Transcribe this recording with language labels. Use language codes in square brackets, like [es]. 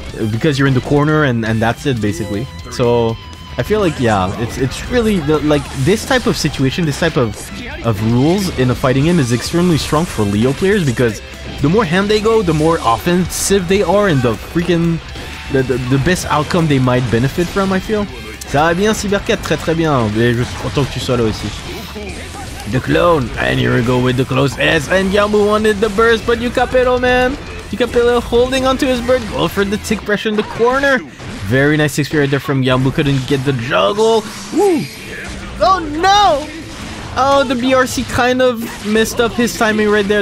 [en] Because you're in the corner and that's it, basically. So, I feel like, yeah, it's really, like, this type of situation, this type of rules in a fighting game is extremely strong for Leo players, because the more hand they go, the more offensive they are, and the freaking, the best outcome they might benefit from, I feel. [fr] Ça va bien, Cybercat, très très bien, mais je suis content que tu sois là aussi. [en] The clone, and here we go with the close S, and Gyanbu wanted the burst, but you Yukapero, man! Yukapero holding onto his bird. Go for the tick pressure in the corner. Very nice XP right there from Gyanbu. Couldn't get the juggle. Woo! Oh no! Oh, the BRC kind of messed up his timing right there.